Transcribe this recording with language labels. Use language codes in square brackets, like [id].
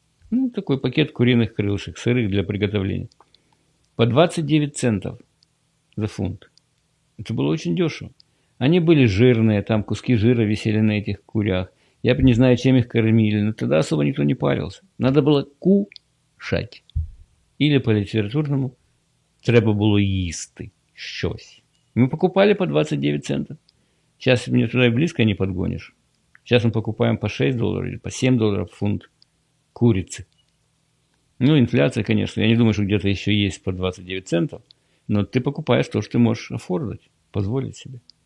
[ru] Ну, такой пакет куриных крылышек, сырых для приготовления. По 29 центов за фунт. Это было очень дешево. Они были жирные, там куски жира висели на этих курях. Я не знаю, чем их кормили, но тогда особо никто не парился. Надо было кушать. Или по-литературному [uk] треба було їсти щось. [ru] Мы покупали по 29 центов. Сейчас мне туда и близко не подгонишь. Сейчас мы покупаем по 6 долларов или по 7 долларов фунт курицы. Ну, инфляция, конечно. Я не думаю, что где-то еще есть по 29 центов. Но ты покупаешь то, что ты можешь оформить, позволить себе.